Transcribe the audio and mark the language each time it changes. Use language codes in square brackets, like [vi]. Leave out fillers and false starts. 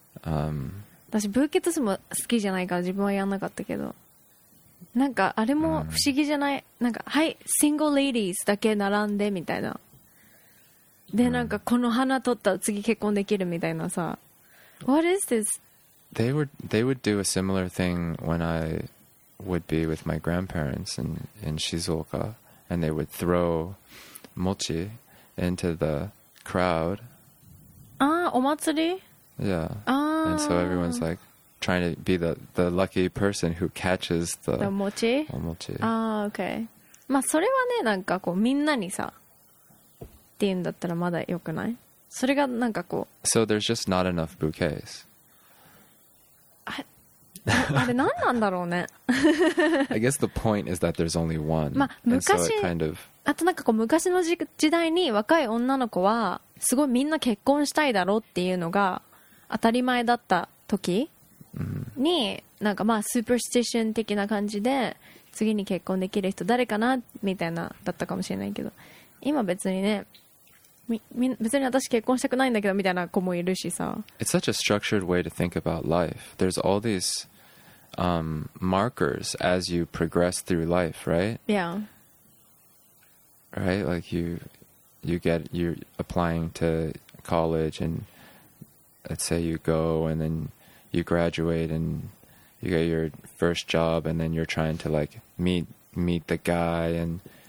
[ja] 私ブーケトスも好きじゃないから自分はやんなかったけど。なんかあれも不思議じゃない。なんかはい、 [en] single ladies [ja] だけ並んでみたいな。で、なんかこの花取ったら次結婚できるみたいなさ。 [en] What is this? They would do a similar thing when I... would be with my grandparents in Shizuoka and they would throw mochi into the crowd. [ja] Ah, お祭り? [en] Yeah. Ah. And so everyone's like trying to be the lucky person who catches the mochi. [ja] Omochi. [en] Ah, okay. [ja] まあそれはね、なんかこうみんなにさって言うんだったらまだ良くない? それがなんかこう。 [en] So there's just not enough bouquets. [ja] あれ何なんだろうね [en] I guess the point is that there's only one、 [ja] まあ、昔 [en] and so it kind of... [ja] あとなんかこう昔の時代に若い女の子はすごいみんな結婚したいだろうっていうのが当たり前だった時に、 mm-hmm. なんかまあスーパースティション的な感じで次に結婚できる人誰かなみたいなだったかもしれないけど今別にね別に私結婚したくないんだけどみたいな子もいるしさ [en] It's such a structured way to think about life. There's all these、markers as you progress through life, right? Yeah. Right? Like you're applying to college and let's say you go and then you graduate and you get your first job and then you're trying to like meet the guy and